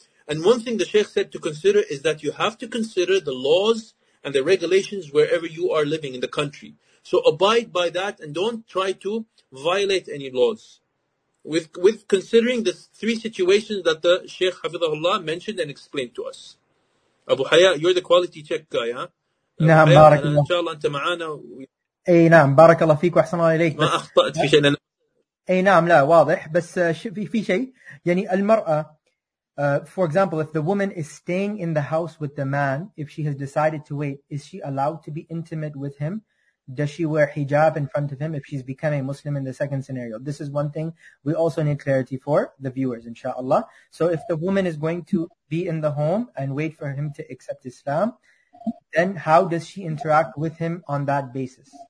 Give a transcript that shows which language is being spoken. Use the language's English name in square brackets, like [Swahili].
[English] And one thing the Shaykh said to consider is that you have to consider the laws and the regulations wherever you are living in the country. So abide by that and don't try to violate any laws. With considering the three situations that the Shaykh Hafidhullah mentioned and explained to us. Abu Haya, you're the quality check guy, huh? [Arabic] نعم بارك الله. Inshallah أنت معانا. أي نعم بارك الله فيك وأحسن الله إليك. ما أخطأت في شيء. أي نعم لا واضح بس في شيء يعني المرأة. [English] For example, if the woman is staying in the house with the man, if she has decided to wait, is she allowed to be intimate with him? Does she wear hijab in front of him if she's become a Muslim in the second scenario? This is one thing we also need clarity for the viewers, inshallah. So if the woman is going to be in the home and wait for him to accept Islam, then how does she interact with him on that basis?